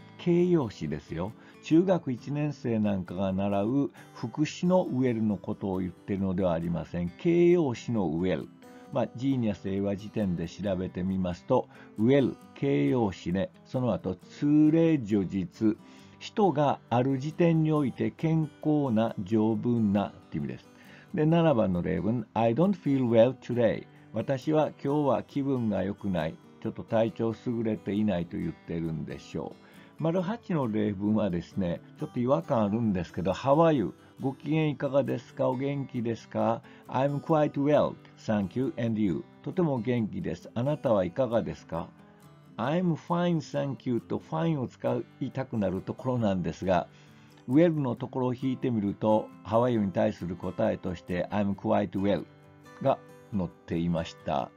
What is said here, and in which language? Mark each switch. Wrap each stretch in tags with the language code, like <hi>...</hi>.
<ja>形容詞ですよ。中学1年生なんかが習う副詞のウェルのことを言っているのではありません。形容詞のウェル。ジーニアス英和辞典で調べてみますと、ウェル、形容詞ね、その後、通例叙述、人がある時点において健康な、丈夫なっていう意味です。で、7番の例文、</ja> <en>I don't feel well today。</en> <ja>私は今日は気分が良くない、ちょっと体調優れていないと言ってるんでしょう。丸8の例文はですね、ちょっと違和感あるんですけど、</ja> <en>How are you?</en> <ja>ご機嫌いかがですか？お元気ですか？</ja> <en>I'm quite well, thank you, and you?</en> <ja>とても元気です、あなたはいかがですか？</ja> <en>I'm fine, thank you</en> <ja>と fine を使いたくなるところなんですが、 well のところを引いてみると、</ja> <en>How are you</en> <ja>に対する答えとして</ja> <en>I'm quite well</en> <ja>が載っていました。</ja>